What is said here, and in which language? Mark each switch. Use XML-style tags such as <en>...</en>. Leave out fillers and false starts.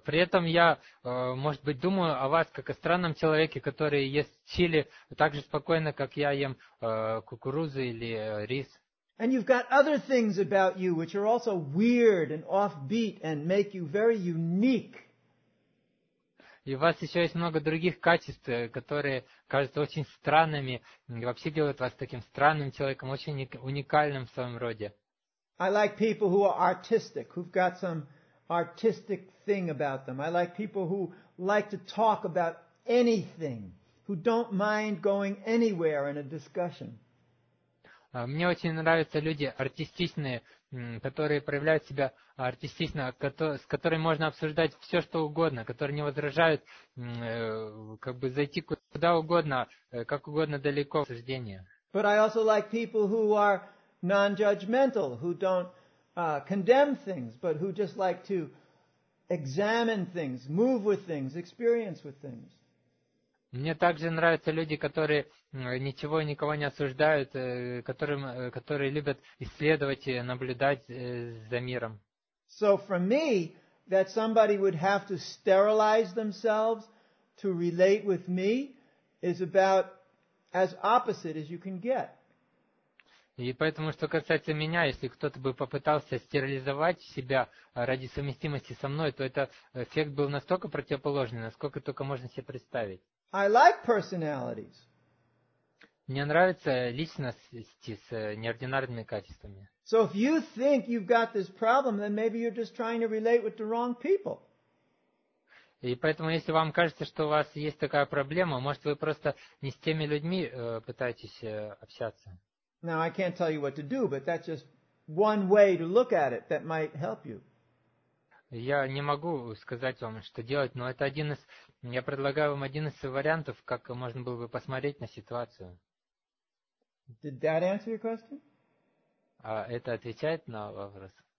<ru>При этом я, может быть, думаю о вас как о странном человеке, который ест чили так же спокойно, как я ем кукурузу или рис.</ru> <en>And you've got other things about you which are also weird and offbeat and make you very unique.</en> <ru>И у вас еще есть много других качеств, которые кажутся очень странными и вообще делают вас таким странным человеком, очень уникальным в своем роде.</ru> <en>I like people who are artistic, who've got some artistic thing about them. I like people who like to talk about anything, who don't mind going anywhere in a discussion.</en> <ru>Мне очень нравятся люди артистичные, которые проявляют себя артистично, с которыми можно обсуждать все, что угодно, которые не возражают как бы зайти куда угодно, как угодно далеко в обсуждение.</ru> <en>But I also like people who are non-judgmental, who don't condemn things, but who just like to examine things, move with things, experience with things.</en> <ru>Мне также нравятся люди, которые ничего и никого не осуждают, которые любят исследовать и наблюдать за миром.</ru> <en>So for me, that somebody would have to sterilize themselves to relate with me is about as opposite as you can get.</en> <ru>И поэтому, что касается меня, если кто-то бы попытался стерилизовать себя ради совместимости со мной, то этот эффект был настолько противоположный, насколько только можно себе представить.</ru> <en>I like personalities.</en> <ru>Мне нравятся личности с неординарными качествами.</ru> <en>So if you think you've got this problem, then maybe you're just trying to relate with the wrong people.</en> <ru>И поэтому, если вам кажется, что у вас есть такая проблема, может, вы просто не с теми людьми пытаетесь общаться.</ru> <en>Now, I can't tell you what to do, but that's just one way to look at it that might help you.</en> <ru>Я не могу сказать вам, что делать, но это один из... Я предлагаю вам один из вариантов, как можно было бы посмотреть на ситуацию.</ru> <en>Did that answer your question?</en> <ru>А это отвечает на вопрос?</ru>